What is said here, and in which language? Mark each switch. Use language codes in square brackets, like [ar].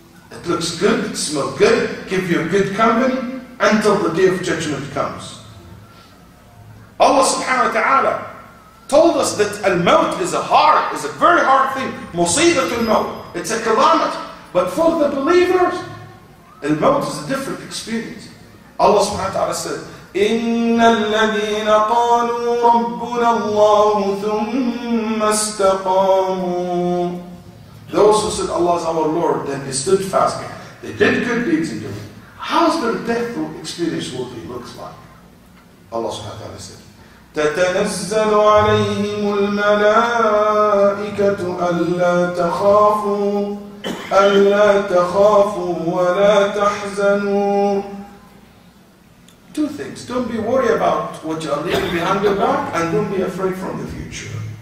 [en] It looks good, it smells good, give you a good company until the day of judgment comes. Allah subhanahu wa ta'ala told us that al-mawt is a hard, is a very hard thing. Musibat al-mawt, it's a calamity. But for the believers, al-mawt is a different experience. [ar] Allah subhanahu wa ta'ala said, إِنَّ الَّذِينَ قَالُوا رَبُّنَا اللَّهُ ثُمَّ اسْتَقَامُوا. [en] Those who said Allah is our Lord, then they stood fast. They did good deeds in doing. How's their death experience will be looks like? Allah subhanahu wa ta'ala said, [ar] تتنزل عليهم الملائكة ألا تخافوا ألا تخافوا ولا تحزنوا. [en] Two things. Don't be worried about what you are leaving behind your back, and don't be afraid from the future.